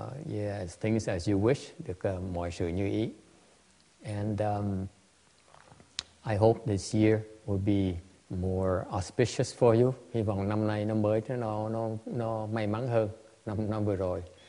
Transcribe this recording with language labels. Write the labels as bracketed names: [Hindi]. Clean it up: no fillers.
[English] Yes, things as you wish, [Vietnamese] được mọi sự như ý. [English] And I hope this year will be more auspicious for you. [Vietnamese] Hy vọng năm nay năm mới nó may mắn hơn năm vừa rồi.